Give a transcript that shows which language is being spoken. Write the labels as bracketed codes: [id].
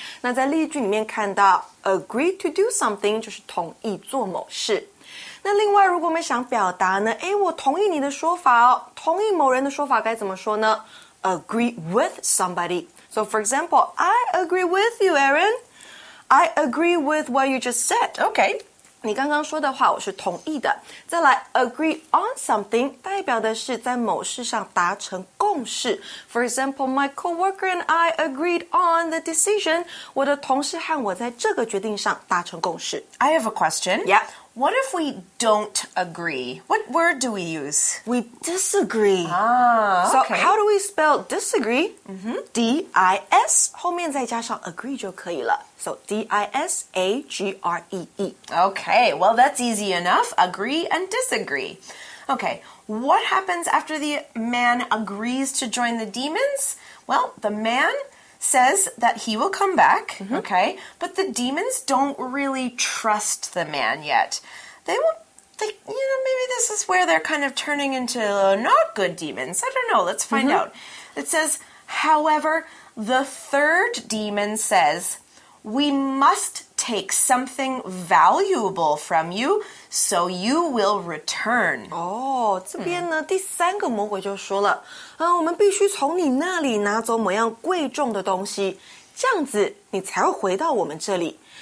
[zh] 那在例句里面看到 [en] agree to do something [zh] 就是同意做某事。那另外，如果我们想表达呢，哎，我同意你的说法哦，同意某人的说法该怎么说呢 ？ [en] Agree with somebody。 So, for example, I agree with you, Aaron. I agree with what you just said. Okay. [zh] 你刚刚说的话我是同意的。再来 [en] agree on something [zh] 代表的是在某事上达成共识。 [en] For example, my coworker and I agreed on the decision. [zh] 我的同事和我在这个决定上达成共识。 [en] I have a question. Yeah. What if we don't agree? What word do we use? We disagree. Ah, okay. So how do we spell disagree? Mm-hmm. [zh] D-I-S, 后面再加上 agree 就可以了。 [en] So D-I-S-A-G-R-E-E. Okay, well, that's easy enough. Agree and disagree. Okay, what happens after the man agrees to join the demons? Well, the man says that he will come back, mm-hmm. okay? But the demons don't really trust the man yet. They won't think, you know, maybe this is where they're kind of turning into not good demons. I don't know, let's find out. It says, however, the third demon says, we must take something valuable from you, so you will return. [zh] Oh, 这边呢，第三个魔鬼就说了，我们必须从你那里拿走某样贵重的东西，这样子你才会回到我们这里。